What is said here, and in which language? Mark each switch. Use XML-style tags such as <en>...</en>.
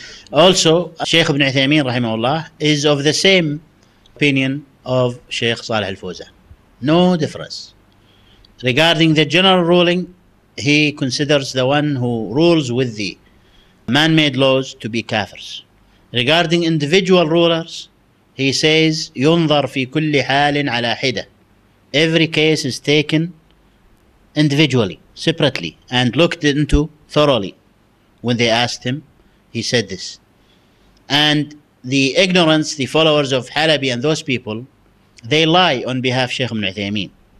<en>Also, Sheikh Ibn Uthaymeen, rahimahullah, is of the same opinion of Sheikh Saleh Al-Fawzan. No difference. Regarding the general ruling, he considers the one who rules with the man-made laws to be kafirs. Regarding individual rulers, he says,</en> <ar>يُنظر في كل حال على حدة.</ar> <en>Every case is taken individually, separately, and looked into thoroughly. When they asked him, he said this. And the ignorance, the followers of Halabi and those people, they lie on behalf of Sheikh Ibn Uthaymeen.</en>